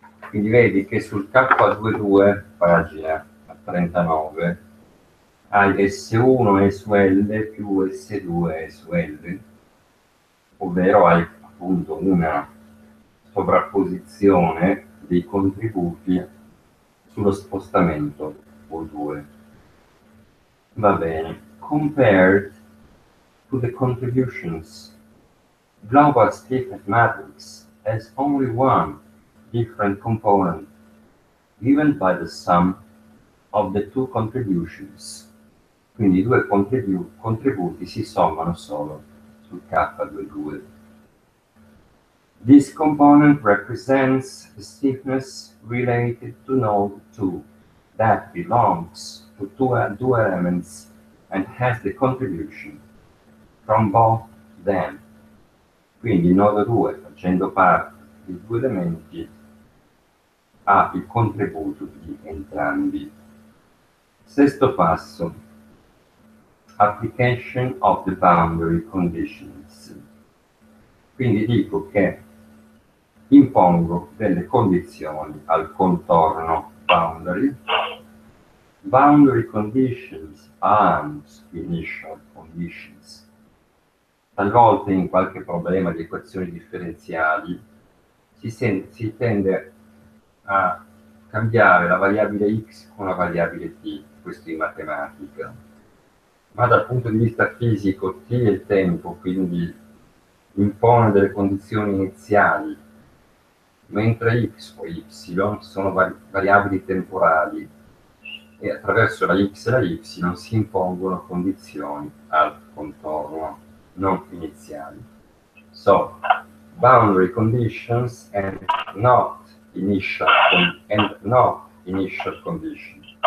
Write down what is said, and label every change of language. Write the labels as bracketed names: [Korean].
[Italian] Quindi vedi che sul K22, pagina 39, hai S1 su L più S2 su L, ovvero hai appunto una sovrapposizione dei contributi sullo spostamento O2. Va bene. [English] Compared to the contributions, global stiffness matrix has only one different component given by the sum of the two contributions. [Italian] Quindi i due contributi si sommano solo sul K22. [English] This component represents the stiffness related to node 2 that belongs to two elements and has the contribution from both them. [Italian] Quindi il nodo 2, facendo parte di due elementi, ha il contributo di entrambi. Sesto passo. [English] Application of the boundary conditions. [Italian] Quindi dico che impongo delle condizioni al contorno boundary. [English] Boundary conditions and initial conditions. [Italian] Talvolta in qualche problema di equazioni differenziali si tende a cambiare la variabile x con la variabile t, questo in matematica, ma dal punto di vista fisico t è il tempo, quindi impone delle condizioni iniziali, mentre x o y sono variabili temporali e attraverso la x e la y si impongono condizioni al contorno, non iniziali. [English] So, boundary conditions and not initial and not initial condition.